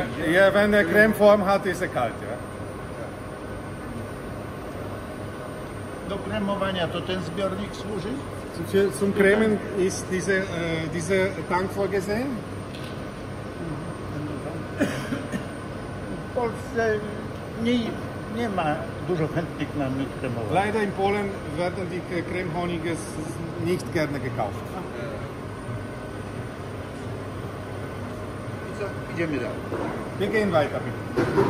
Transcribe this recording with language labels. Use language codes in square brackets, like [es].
[de] Ja, wenn der Cremeform hat, ist er kalt. Ja. [pl] Do kremowania to ten zbiornik służy? [de] Zum Cremen ist dieser Tank vorgesehen. [pl] W Polsce nie ma dużo chętnych na mit kremowania. [de] Leider in Polen werden die Cremehonige nicht gerne gekauft. [pl] Idziemy dalej. [de] Wir gehen weiter, bitte.